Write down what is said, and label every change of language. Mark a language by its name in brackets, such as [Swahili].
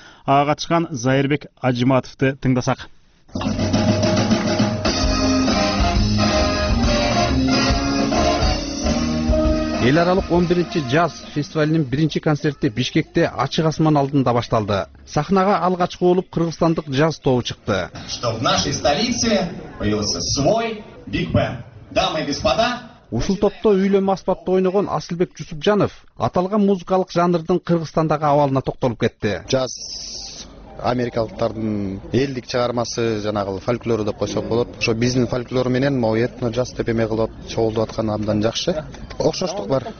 [Kyrgyz] Ага катышкан Зайырбек Ажыматовду тыңдасак. Эл аралык 11-нчи жаз фестивалинин биринчи концерти Бишкекте ачык асман алдында башталды. Сахнага алгачкы болуп кыргызстандык жаз тобу чыкты. [Russian] Что в нашей столице появился свой биг бэнд. Дамы и господа, [Kyrgyz] ушул топто үйлөнмө аспапта ойногон Асылбек Жусупжанов аталган музыкалык жанрдын кыргызстандагы абалына токтолуп кетти. Жаз америкалыктардын элдик чыгармасы, жанагы фольклору деп койсок болот. Ошо биздин фольклор менен [Russian] могу [Kyrgyz] этно жаз деп эме кылып чогултуп аткан абдан жакшы. Окшоштук бар.